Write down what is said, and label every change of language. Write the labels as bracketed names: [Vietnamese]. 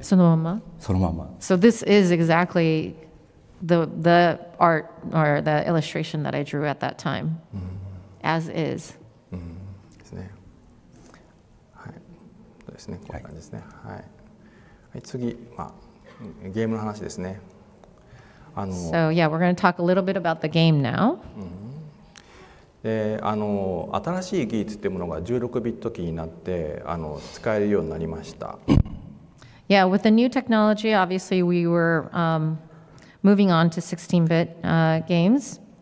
[Japanese] そのまま？そのまま。 [English] So this is exactly... The art or the illustration that I drew at that time, as is. [Japanese] ですね。はい。そうですね。こんな感じですね。はい。はい、次、まあ、ゲームの話ですね。 [English] あの、So yeah, we're going to talk a little bit about the game now. [Japanese] で、あの、新しい技術というものが16ビット機になって、あの、使えるようになりました。 [English] Yeah, with the new technology, obviously we were, moving on to 16-bit games.